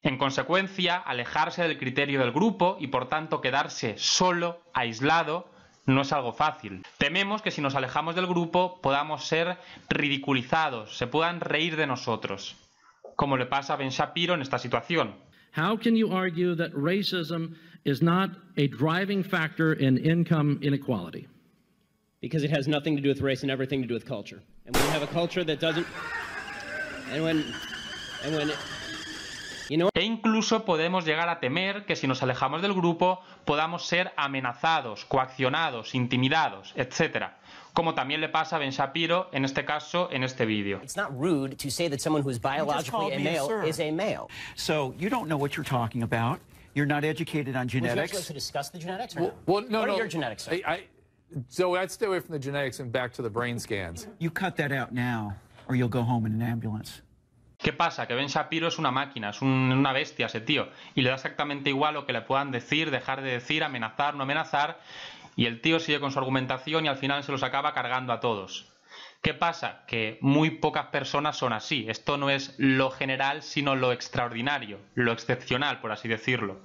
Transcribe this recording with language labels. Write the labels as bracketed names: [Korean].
[Spanish] En consecuencia, alejarse del criterio del grupo y por tanto quedarse solo, aislado, no es algo fácil. Tememos que si nos alejamos del grupo podamos ser ridiculizados, se puedan reír de nosotros. como le pasa a Ben Shapiro en esta situación. [English] How can you argue that racism is not a driving factor in income inequality? Because it has nothing to do with race and everything to do with culture. And when you have a culture that doesn't... [Spanish] E incluso podemos llegar a temer que si nos alejamos del grupo podamos ser amenazados, coaccionados, intimidados, etc. Como también le pasa a Ben Shapiro, en este caso, en este vídeo. [English] It's not rude to say that someone who is biologically a male is a male. So you don't know what you're talking about. You're not educated on genetics. Would you like to discuss the genetics? Well, no. What are your genetics, sir? So I'd stay away from the genetics and back to the brain scans. You cut that out now, or you'll go home in an ambulance. [Spanish] ¿Qué pasa? Que Ben Shapiro es una máquina, es una bestia ese tío, y le da exactamente igual lo que le puedan decir, dejar de decir, amenazar, no amenazar, y el tío sigue con su argumentación y al final se los acaba cargando a todos. ¿Qué pasa? Que muy pocas personas son así. Esto no es lo general, sino lo extraordinario, lo excepcional, por así decirlo.